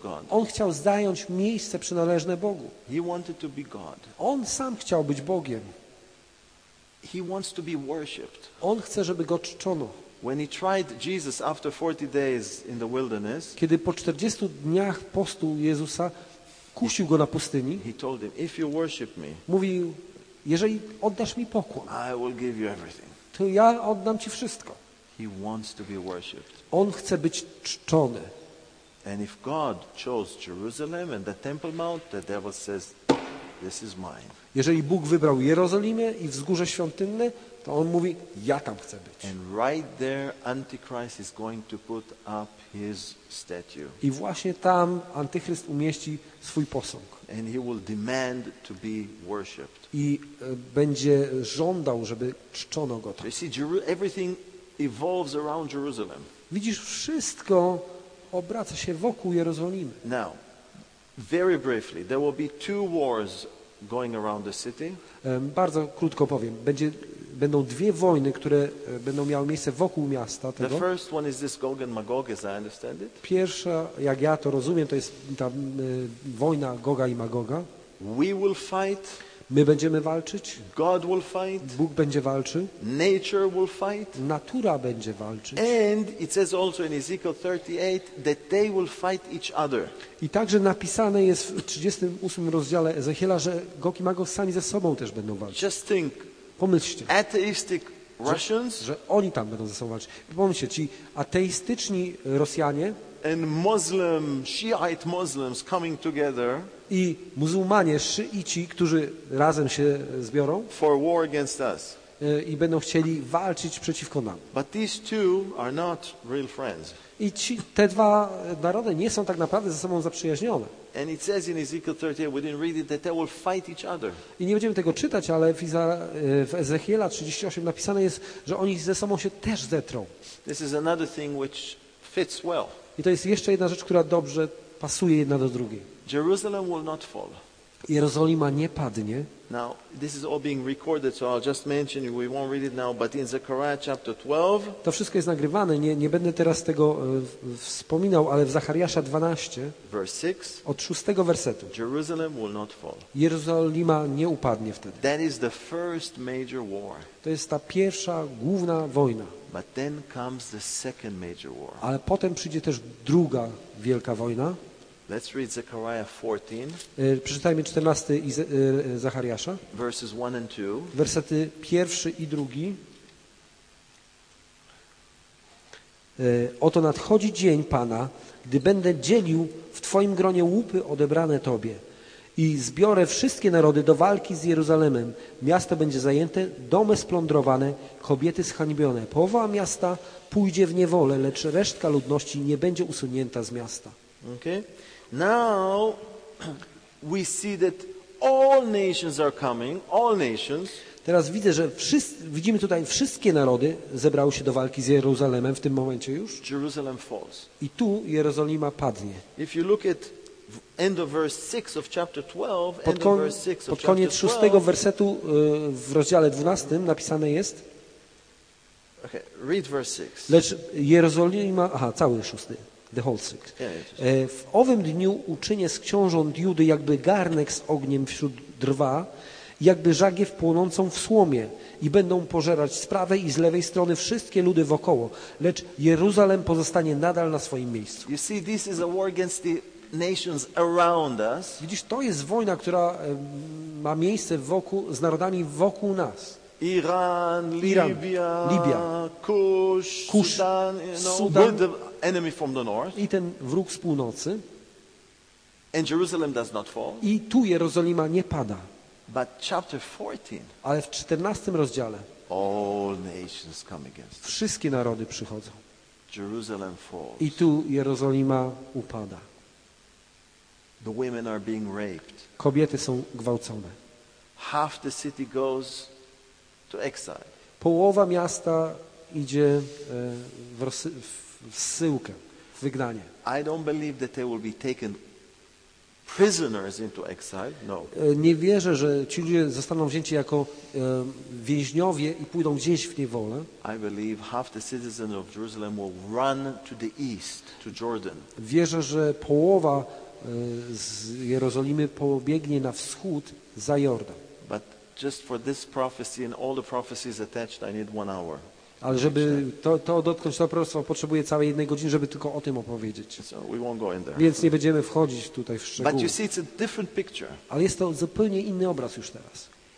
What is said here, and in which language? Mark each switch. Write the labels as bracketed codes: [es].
[pl] On chciał zająć miejsce przynależne Bogu. [en] He wanted to be God. [pl] On sam chciał być Bogiem. [en] He wants to be worshipped. [pl] On chce, żeby go czczono. [en] When he tried Jesus after 40 days in the wilderness, [pl] kiedy po 40 dniach postu Jezusa kusił go na pustyni, [en] he told him, if you worship me, [pl] mówił, jeżeli oddasz mi pokłon, [en] I will give you everything. [pl] To ja oddam ci wszystko. [en] He wants to be worshipped. [pl] On chce być czczony. [en] And if God chose Jerusalem and the Temple Mount, the devil says, this is mine. [pl] Jeżeli Bóg wybrał Jerozolimę i wzgórze świątynne, to on mówi, ja tam chcę być. [en] And right there, Antichrist is going to put up his statue. [pl] I właśnie tam Antychryst umieści swój posąg. [en] And he will demand to be worshipped. [pl] I będzie żądał, żeby czczono go tam. [en] You see, everything evolves around Jerusalem. [pl] Widzisz, wszystko obraca się wokół Jerozolimy. [en] Now, very briefly, there will be two wars going around the city. [pl] Bardzo krótko powiem, będą dwie wojny, które będą miały miejsce wokół miasta tego. [en] The first one is this Gog and Magog, as I understand it. [pl] Pierwsza, jak ja to rozumiem, to jest ta wojna Goga i Magoga. [en] We will fight. [pl] My będziemy walczyć. [en] God will fight. [pl] Bóg będzie walczył. [en] Nature will fight. [pl] Natura będzie walczyć. [en] And it says also in Ezekiel 38 that they will fight each other. [pl] I także napisane jest w 38 rozdziale Ezechiela, że Gog i Magog sami ze sobą też będą walczyć. [en] Just think. [pl] Pomyślcie, [en] atheistic Russians, [pl] że oni tam będą ze sobą walczyć. Pomyślcie, ci ateistyczni Rosjanie [en] and Muslim, Shiite Muslims coming together, [pl] i muzułmanie, szyici, którzy razem się zbiorą [en] for war against us. [pl] I będą chcieli walczyć przeciwko nam. [en] But these two are not real friends. [pl] I te dwa narody nie są tak naprawdę ze sobą zaprzyjaźnione. [en] And it says in Ezekiel 38, we didn't read it, that they will fight each other. [pl] I nie będziemy tego czytać, ale w Ezechiela 38 napisane jest, że oni ze sobą się też zetrą. [en] This is another thing which fits well. [pl] I to jest jeszcze jedna rzecz, która dobrze pasuje jedna do drugiej. [en] Jerusalem will not fall. [pl] Jerozolima nie padnie. [en] Now, this is all being recorded, so I'll just mention, we won't read it now, but in Zechariah chapter 12. [pl] To wszystko jest nagrywane, nie będę teraz tego wspominał, ale w Zachariasza 12, [en] verse 6, [pl] od 6 wersetu. [en] Jerusalem will not fall. [pl] Jerozolima nie upadnie wtedy. [en] That is the first major war. [pl] To jest ta pierwsza główna wojna. [en] But then comes the second major war. [pl] Ale potem przyjdzie też druga wielka wojna. [en] Let's read Zechariah 14. [pl] Przeczytajmy 14 Zachariasza. [en] Verses 1 and 2. [pl] Wersety 1 i 2. Oto nadchodzi dzień Pana, gdy będę dzielił w Twoim gronie łupy odebrane Tobie i zbiorę wszystkie narody do walki z Jeruzalemem. Miasto będzie zajęte, domy splądrowane, kobiety zhańbione. Połowa miasta pójdzie w niewolę, lecz resztka ludności nie będzie usunięta z miasta. [en] Okay. Now we see that all nations are coming, all nations. [pl] Teraz widzę, że widzimy tutaj wszystkie narody zebrały się do walki z Jeruzalemem w tym momencie już. [en] Jerusalem falls. [pl] I tu Jerozolima padnie. [en] If you look at end of verse 6 of chapter 12, [pl] pod koniec 6 wersetu w rozdziale 12 napisane jest. [en] Okay, read verse 6. [pl] Lecz Jerozolima, cały 6. [en] The whole six. [pl] W owym dniu uczynię z książąt Judy jakby garnek z ogniem wśród drwa, jakby żagiew płonącą w słomie i będą pożerać z prawej i z lewej strony wszystkie ludy wokoło, lecz Jeruzalem pozostanie nadal na swoim miejscu. [en] You see, this is a war against the nations around us. [pl] Widzisz, to jest wojna, która ma miejsce wokół, z narodami wokół nas. Iran, Libia, Kusz, Sudan, Sudan. [en] Enemy from the north. [pl] I ten wróg z północy. [en] And Jerusalem does not fall. [pl] I tu Jerozolima nie pada. [en] But chapter 14. [pl] Ale w 14 rozdziale. [en] All nations come against. [pl] Wszystkie narody przychodzą. [en] Jerusalem falls. [pl] I tu Jerozolima upada. [en] The women are being raped. [pl] Kobiety są gwałcone. [en] Half the city goes to exile. [pl] Połowa miasta idzie w zsyłkę, wygnanie. [en] I don't believe that they will be taken prisoners into exile. No. [pl] Nie wierzę, że ci ludzie zostaną wzięci jako więźniowie i pójdą gdzieś w niewolę. [en] I believe half the citizens of Jerusalem will run to the east, to Jordan. [pl] Wierzę, że połowa z Jerozolimy pobiegnie na wschód za Jordan. [en] But just for this prophecy and all the prophecies attached, I need 1 hour. [pl] Ale żeby to dotknąć, to proroctwo potrzebuje całej jednej godziny, żeby tylko o tym opowiedzieć. Więc nie będziemy wchodzić tutaj w szczegóły. Ale jest to zupełnie inny obraz już teraz.